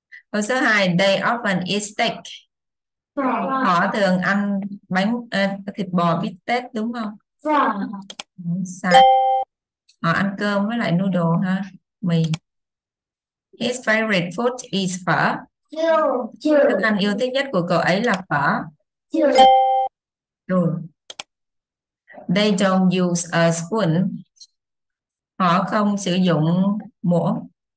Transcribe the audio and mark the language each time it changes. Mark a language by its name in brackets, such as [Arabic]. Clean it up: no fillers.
[Vietnamese] Câu số 2 [English] they often eat steak. [Vietnamese] Họ thường ăn bánh thịt bò bít tết đúng không? Sai. Họ ăn cơm với lại noodle ha, mì. [English] His favorite food is pho. [Vietnamese] Thức ăn yêu thích nhất của cậu ấy là phở. [English] They don't use a spoon. [Vietnamese] Họ không sử dụng muỗng.